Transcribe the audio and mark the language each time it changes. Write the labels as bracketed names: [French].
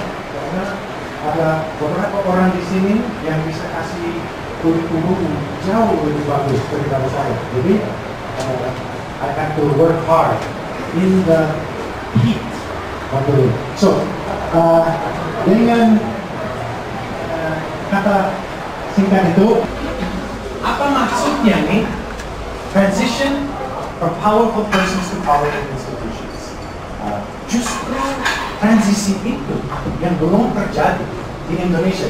[Indonesian] Karena ada beberapa orang di sini yang bisa kasih kurikulum jauh lebih bagus daripada saya. [English] Jadi I have to work hard in the heat of the room. [Indonesian] So dengan kata singkat itu. Apa maksudnya nih? [English] Transition from powerful persons to powerful institutions. [Indonesian] Justru transisi itu yang belum terjadi di Indonesia.